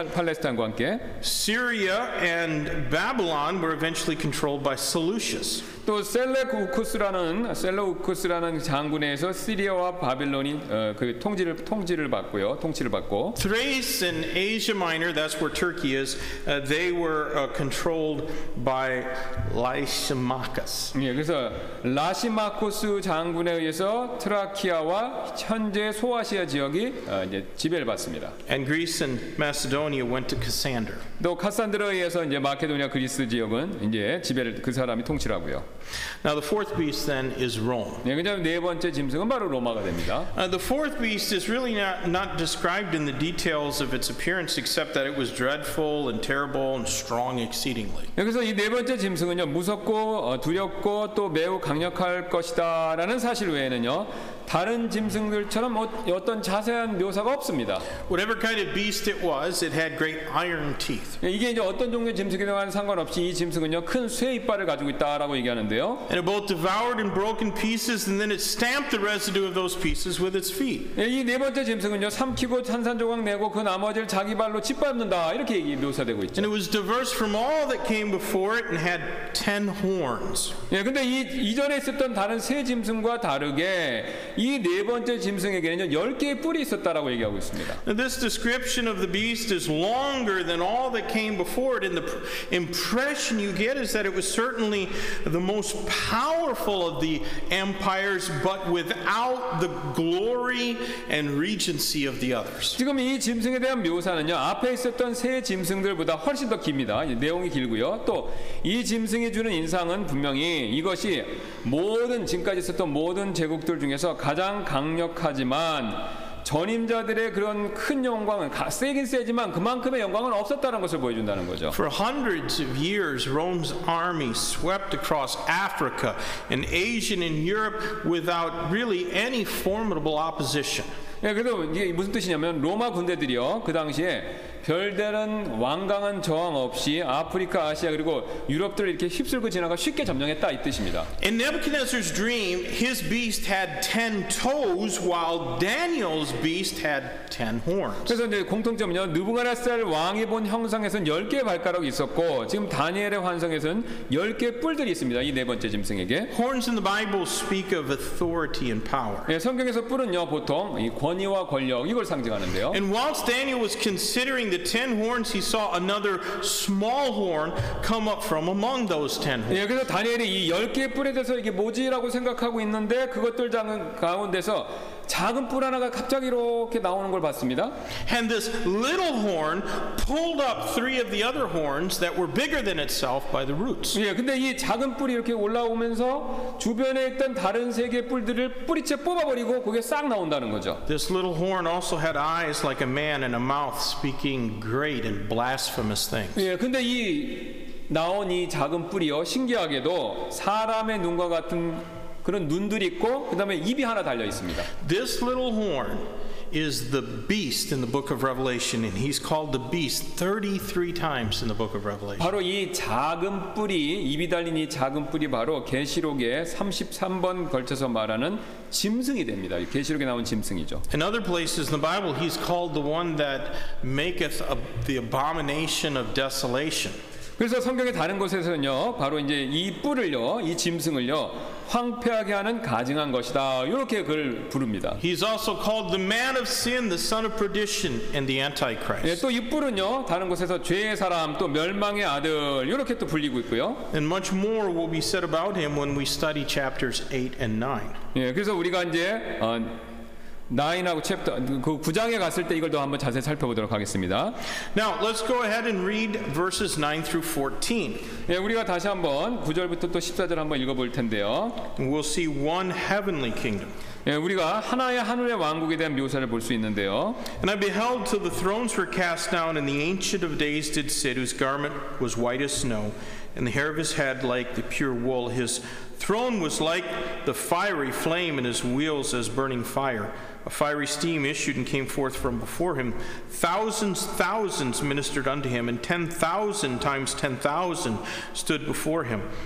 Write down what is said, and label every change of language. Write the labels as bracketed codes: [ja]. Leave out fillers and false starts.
[ko] 팔레스타인과 함께 [en] Syria and Babylon were eventually controlled by Seleucus. [ko] 또 셀레우쿠스라는 장군에서 시리아와 바빌론이 그 통치를 받고요. 통치를 받고 [en] Thrace and Asia Minor, that's where Turkey is. They were controlled by Lysimachus. [ko] 예, 그래서 라시마코스 장군에 의해서 트라키아와 현재 소아시아 지역이 이제 지배를 받습니다. [en] And Greece and Macedonia went to Cassander. [ko] 또 카산드로에 의해서 이제 마케도니아 그리스 지역은 이제 지배를 그 사람이 통치를 하고요. [en] Now the fourth beast then is Rome. [ko] 네, 그다음 네 번째 짐승은 바로 로마가 됩니다. [en] The fourth beast is really not described in the details of its appearance, except that it was dreadful and terrible and strong exceedingly. [ko] 네, 그래서 이 네 번째 짐승은요 무섭고 두렵고 또 매우 강력할 것이다라는 사실 외에는요 다른 짐승들처럼 어떤 자세한 묘사가 없습니다. [en] Whatever kind of beast it was, it had great iron teeth. [ko] 네, 이게 이제 어떤 종류의 짐승이든 상관없이 이 짐승은요 큰 쇠 이빨을 가지고 있다라고 얘기하는데요. [en] And it both devoured and broken pieces, and then it stamped the residue of those pieces with its feet. [ko] 이 네 번째 짐승은요, 삼키고 산산조각 내고 그 나머지를 자기 발로 짓밟는다 이렇게 얘기 묘사되고 있죠. [en] And it was diverse from all that came before it, and had 10 horns. [ko] 예, 근데 이 이전에 있었던 다른 세 짐승과 다르게 이 네 번째 짐승에게는요, 열 개의 뿔이 있었다라고 얘기하고 있습니다. [en] This description of the beast is longer than all that came before it, and the impression you get is that it was certainly the most powerful of the empires, but without the glory and regency of the others. [ko] 지금 이 짐승에 대한 묘사는요 앞에 있었던 세 짐승들보다 훨씬 더 깁니다. 내용이 길고요. 또 이 짐승이 주는 인상은 분명히 이것이 모든 지금까지 있었던 모든 제국들 중에서 가장 강력하지만 전임자들의 그런 큰 영광은 세긴 세지만 그만큼의 영광은 없었다는 것을 보여준다는 거죠. [en] For hundreds of years, Rome's army swept across Africa and Asia and Europe without really any formidable opposition. [ko] 예, 그래도 이게 무슨 뜻이냐면 로마 군대들이요. 그 당시에 별다른 완강한 저항 없이 아프리카, 아시아 그리고 유럽들을 이렇게 휩쓸고 지나가 쉽게 점령했다 이 뜻입니다. [en] In Nebuchadnezzar's dream, his beast had 10 toes while Daniel's beast had 10 horns. [ko] 그래서 이제 공통점은요. 느부갓네살 왕이 본 형상에서는 10개의 발가락이 있었고 지금 다니엘의 환상에서는 10개의 뿔들이 있습니다. 이 네 번째 짐승에게. [en] Horns in the Bible speak of authority and power. [ko] 예, 성경에서 뿔은요. 보통 이 권위와 권력 이걸 상징하는데요. [en] And whilst Daniel was considering the ten horns, he saw another small horn come up from among those ten horns. [ko] 예, 그래서 다니엘이 이 열 개의 뿔에 대해서 이게 뭐지라고 생각하고 있는데 그것들 가운데서 작은 뿔 하나가 갑자기 이렇게 나오는 걸 봤습니다. [en] And this little horn pulled up three of the other horns that were bigger than itself by the roots. [ko] 예, 근데 이 작은 뿔이 이렇게 올라오면서 주변에 있던 다른 세 개의 뿔들을 뿌리째 뽑아버리고 그게 싹 나온다는 거죠. [en] This little horn also had eyes like a man and a mouth speaking great and blasphemous things. [ko] 예, 근데 이 나온 이 작은 뿔이요 신기하게도 사람의 눈과 같은 그런 눈들이 있고 그다음에 입이 하나 달려 있습니다. [en] This little horn is the beast in the book of Revelation and he's called the beast 33 times in the book of Revelation. [ko] 바로 이 작은 뿔이 입이 달린 이 작은 뿔이 바로 계시록에 33번 걸쳐서 말하는 짐승이 됩니다. 계시록에 나온 짐승이죠. [en] In other places in the Bible he's called the one that maketh the abomination of desolation. [ko] 그래서 성경의 다른 곳에서는요, 바로 이제 이 뿔을요, 이 짐승을요, 황폐하게 하는 가증한 것이다. 이렇게 그를 부릅니다. [en] He's also called the man of sin, the son of perdition, and the antichrist. [ko] 예, 또 이 뿔은요, 다른 곳에서 죄의 사람, 또 멸망의 아들 이렇게 또 불리고 있고요. [en] And much more will be said about him when we study chapters 8 and 9. [ko] 예, 그래서 우리가 이제 나인하고 챕터 그 구장에 갔을 때 이걸 더 한번 자세히 살펴보도록 하겠습니다. [en] Now let's go ahead and read verses 9 through 14. [ko] 예, 우리가 다시 한번 9절부터 또 14절 한번 읽어볼 텐데요. [en] We'll see one heavenly kingdom. [ko] 예, 우리가 하나의 하늘의 왕국에 대한 묘사를 볼 수 있는데요. [en] And I beheld till the thrones were cast down, and the ancient of days did sit, whose garment was white as snow, and the hair of his head like the pure wool. His throne was like the fiery flame, and his wheels as burning fire. A fiery steam issued and came forth from before him. Thousands, thousands ministered unto him, and 10,000 times 10,000 stood before him.